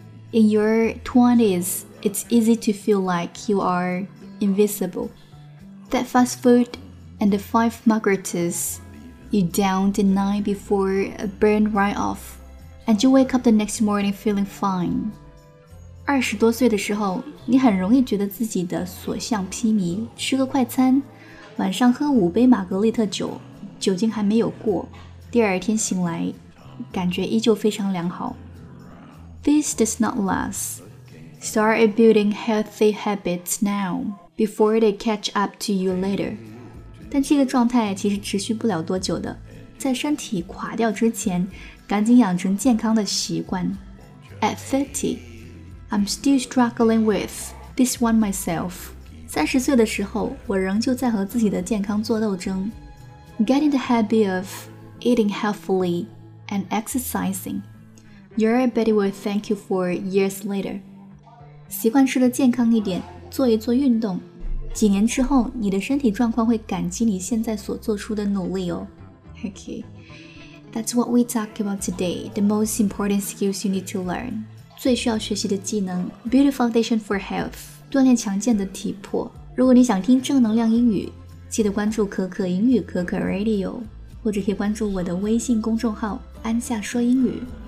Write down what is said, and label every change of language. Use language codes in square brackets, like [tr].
[en] In your 20s, it's easy to feel like you are invisible. That fast food and the 5 margaritas you downed the night before a burn right off, and you wake up the next morning feeling fine. [zh] 20多岁的时候，你很容易觉得自己的所向披靡，吃个快餐，晚上喝五杯玛格丽特酒，酒精还没有过，第二天醒来，感觉依旧非常良好。 [en] This does not last. Start building healthy habits now, before they catch up to you later. [zh] 但这个状态其实持续不了多久的。在身体垮掉之前，赶紧养成健康的习惯。 [en] At 30, I'm still struggling with this one myself. [zh] 30岁的时候，我仍旧在和自己的健康做斗争。 [en] Getting the habit of eating healthily and exercising. Your body will thank you for years later. [zh] 习惯吃得健康一点，做一做运动，几年之后，你的身体状况会感激你现在所做出的努力哦。 [en] Okay, that's what we talk about today. The most important skills you need to learn. [zh] 最需要学习的技能 ， build a foundation for health. 锻炼强健的体魄。如果你想听正能量英语，记得关注可可英语可可 Radio， 或者可以关注我的微信公众号安夏说英语。